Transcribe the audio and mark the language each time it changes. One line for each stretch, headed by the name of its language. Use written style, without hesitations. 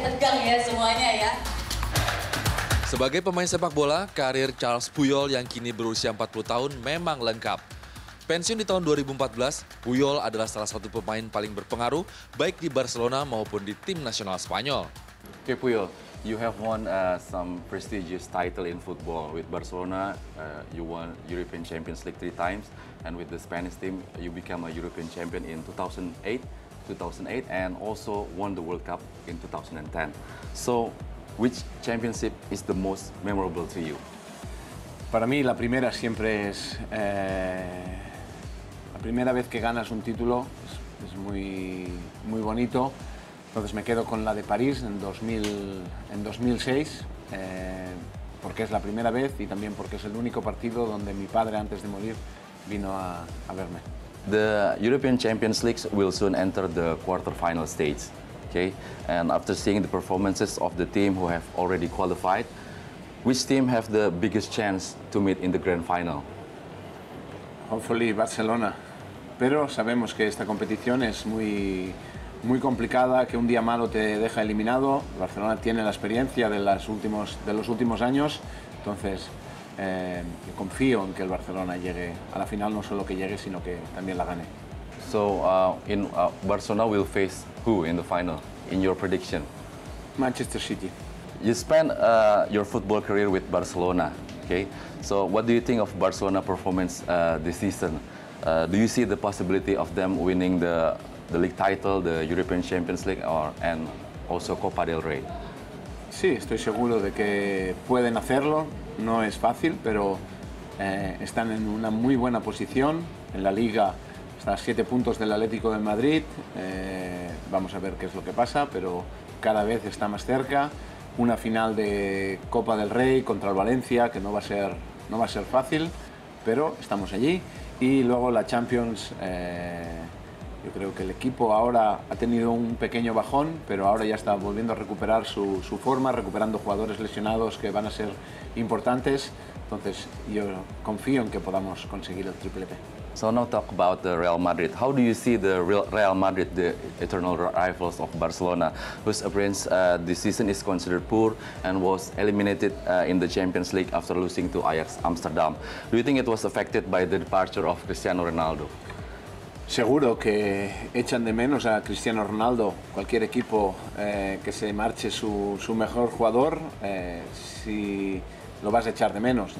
Indonesian: Tegang ya semuanya ya. Sebagai pemain sepak bola, karir Carles Puyol yang kini berusia 40 tahun memang lengkap. Pensiun di tahun 2014, Puyol adalah salah satu pemain paling berpengaruh baik di Barcelona maupun di tim nasional Spanyol.
English: Oke, Puyol, you have won some prestigious title in football with Barcelona. You won European Champions League 3 times and with the Spanish team you became a European champion in 2008 and also won the World Cup in 2010. So, which championship is the most memorable to you?
Spanish: Para mí la primera siempre es la primera vez que ganas un título es muy muy bonito. Entonces me quedo con la de París en 2006 porque es la primera vez y también porque es el único partido donde mi padre antes de morir vino a verme.
English: The European Champions League will soon enter the quarterfinal stage, okay? And after seeing the performances of the team who have already qualified, which team have the biggest chance to meet in the grand final? Hopefully Barcelona.
Spanish: Pero sabemos que esta competición es muy, muy complicada, que un día malo te deja eliminado. Barcelona tiene la experiencia de los últimos años, entonces confío en que el Barcelona llegue a la final, no solo que llegue, sino que también la gane.
English: So, Barcelona will face who in the final, in your prediction? Manchester City. You spent your football career with Barcelona, okay? So, what do you think of Barcelona performance this season? Do you see the possibility of them winning the league title, the European Champions League, and also Copa del Rey?
Spanish: Sí, estoy seguro de que pueden hacerlo. No es fácil, pero están en una muy buena posición. En la Liga está a 7 puntos del Atlético de Madrid. Vamos a ver qué es lo que pasa, pero cada vez está más cerca. Una final de Copa del Rey contra el Valencia, que no va a ser fácil, pero estamos allí. Y luego la Champions, yo creo que el equipo ahora ha tenido un pequeño bajón, pero ahora ya está volviendo a recuperar su forma, recuperando jugadores lesionados que van a ser importantes. Entonces, yo confío en que podamos conseguir el triplete.
English: So now talk about the Real Madrid. How do you see the Real Madrid, the eternal rivals of Barcelona, whose appearance this season is considered poor and was eliminated in the Champions League after losing to Ajax Amsterdam? Do you think it was affected by the departure of Cristiano Ronaldo?
Spanish: Seguro que echan de menos a Cristiano Ronaldo. Cualquier equipo que se marche su mejor jugador, si lo vas a echar de menos.